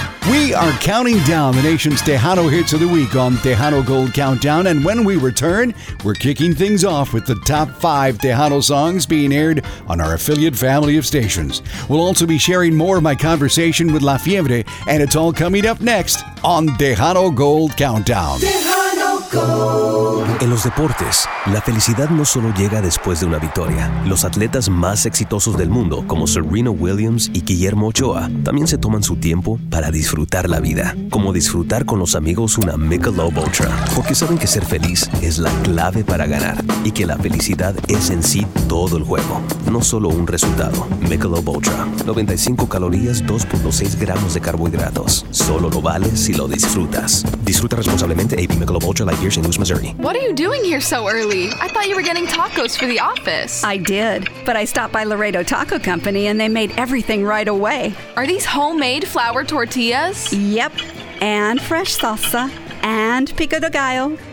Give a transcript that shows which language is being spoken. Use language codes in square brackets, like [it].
[en] We are counting down the nation's Tejano hits of the week on Tejano Gold Countdown, and when we return, we're kicking things off with the top 5 Tejano songs being aired on our affiliate family of stations. We'll also be sharing more of my conversation with La Fiebre, and it's all coming up next on Tejano Gold Countdown. Tejano Gold. [es] En los deportes, la felicidad no solo llega después de una victoria. Los atletas más exitosos del mundo, como Serena Williams y Guillermo Ochoa, también se toman su tiempo para disfrutar la vida. Como disfrutar con los amigos una Michelob Ultra. Porque saben que ser feliz es la clave para ganar. Y que la felicidad es en sí todo el juego. No solo un resultado. Michelob Ultra. 95 calorías, 2.6 gramos de carbohidratos. Solo lo vale si lo disfrutas. Disfruta responsablemente AB Michelob Ultra Light Beer, St. Louis, Missouri. [en] What are you doing here so early? I thought you were getting tacos for the office. I did, but I stopped by Laredo Taco Company and they made everything right away. Are these homemade flour tortillas? Yep, and fresh salsa, and pico de gallo.